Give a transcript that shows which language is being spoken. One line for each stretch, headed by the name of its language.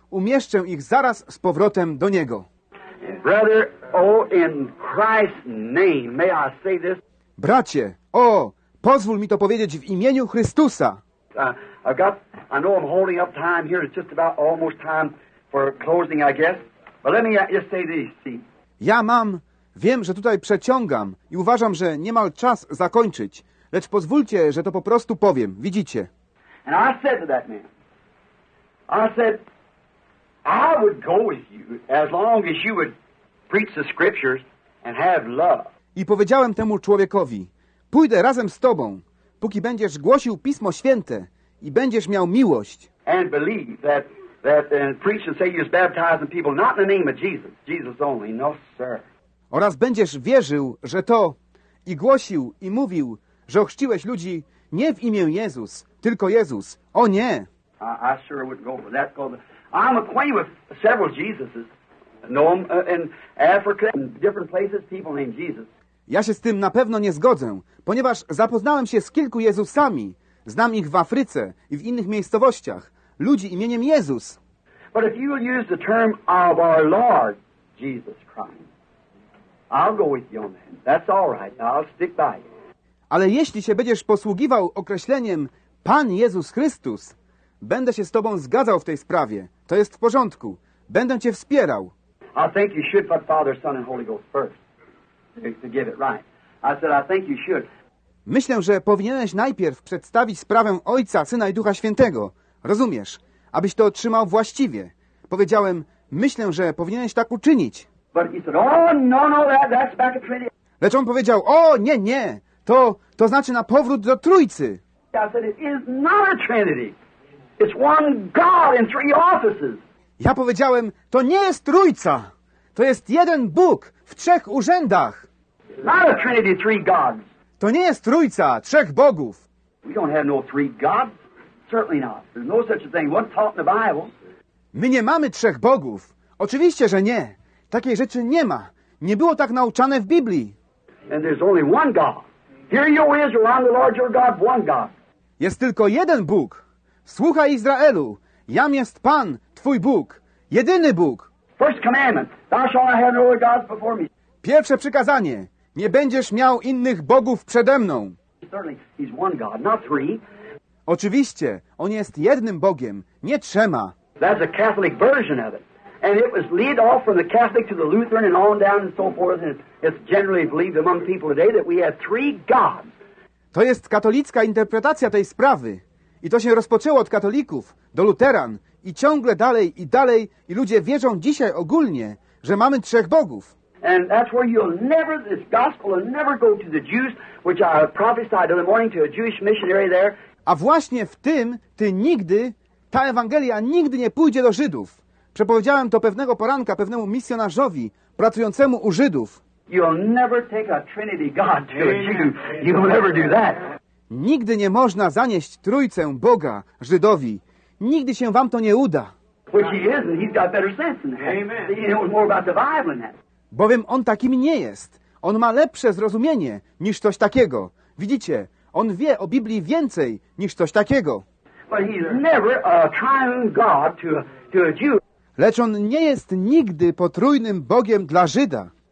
Polish: Umieszczę ich zaraz z powrotem do Niego.
English: Brother, oh, in Christ's name, may I say this?
Polish: Bracie, o, pozwól mi to powiedzieć w imieniu Chrystusa.
English: I know I'm holding up time here. It's just about almost time for closing, I guess. But let me just say this, see.
Polish: Ja mam, wiem, że tutaj przeciągam i uważam, że niemal czas zakończyć. Lecz pozwólcie, że to po prostu powiem. Widzicie?
English: And I said to that man, I said, I would go with you as long as you would preach the scriptures and have love.
Polish: I powiedziałem temu człowiekowi, pójdę razem z tobą, póki będziesz głosił Pismo Święte i będziesz miał miłość.
English: And believe that and preach and say you're baptizing people not in the name of Jesus, Jesus only, no sir.
Polish: Oraz będziesz wierzył, że to i głosił i mówił, że ochrzciłeś ludzi nie w imię Jezus, tylko Jezus. O nie!
English: I sure wouldn't go for that because I'm acquainted with several Jesuses. Know them in Africa and different places, people named Jesus.
Polish: Ja się z tym na pewno nie zgodzę, ponieważ zapoznałem się z kilku Jezusami. Znam ich w Afryce i w innych miejscowościach. Ludzi imieniem Jezus.
English: But if you will use the term of our Lord Jesus Christ, I'll go with you on that. That's all right. I'll stick by you.
Polish: Ale jeśli się będziesz posługiwał określeniem Pan Jezus Chrystus, będę się z tobą zgadzał w tej sprawie. To jest w porządku. Będę cię wspierał.
English: I think you should put Father, Son and Holy Ghost first to get it right. I said, I think you should.
Polish: Myślę, że powinieneś najpierw przedstawić sprawę Ojca, Syna i Ducha Świętego. Rozumiesz? Abyś to otrzymał właściwie. Powiedziałem, myślę, że powinieneś tak uczynić.
English: But he said, oh, no, that's back to Trinity.
Polish: Lecz on powiedział, o, nie, to znaczy na powrót do Trójcy.
English: I said, it is not a Trinity. It's one God in three offices.
Polish: Ja powiedziałem, to nie jest Trójca. To jest jeden Bóg w trzech urzędach.
English: Not a Trinity, three gods.
Polish: To nie jest Trójca, trzech Bogów.
English: We don't have no three gods. Certainly not. There's no such a thing. What's taught in the Bible?
Polish: My nie mamy trzech Bogów. Oczywiście, że nie. Takiej rzeczy nie ma. Nie było tak nauczane w Biblii.
English: And there's only one God. Hear, O Israel, I'm the Lord your God, one God.
Polish: Jest tylko jeden Bóg. Słuchaj, Izraelu. Jam jest Pan, Twój Bóg. Jedyny Bóg.
English: First commandment, thou shalt not have no other gods before me.
Polish: Pierwsze przykazanie. Nie będziesz miał innych bogów przede mną.
English: Certainly, he's one god, not three.
Polish: Oczywiście, on jest jednym Bogiem, nie trzema.
English: That's a Catholic version of it. And it was led off from the Catholic to the Lutheran and on down and so forth. And it's generally believed among people today that we have three gods.
Polish: To jest katolicka interpretacja tej sprawy. I to się rozpoczęło od katolików do luteran i ciągle dalej i dalej. I ludzie wierzą dzisiaj ogólnie, że mamy trzech bogów.
English: And that's where you'll never, this gospel will never go to the Jews, which I prophesied in the morning to a Jewish missionary there.
Polish: A właśnie w tym ty nigdy, ta Ewangelia nigdy nie pójdzie do Żydów. Przepowiedziałem to pewnego poranka pewnemu misjonarzowi pracującemu u Żydów.
English: You'll never take a Trinity God to a Jew. You'll never do that.
Polish: Nigdy nie można zanieść Trójcę Boga Żydowi. Nigdy się wam to nie uda.
English: Which he isn't. He's got better sense than that. Amen. He knows more about the Bible than that.
Polish: Bowiem on takim nie jest. On ma lepsze zrozumienie niż coś takiego. Widzicie, on wie o Biblii więcej niż coś takiego.
English: But he's never a triune God to a Jew.
Polish: Lecz on nie jest nigdy potrójnym Bogiem dla Żyda.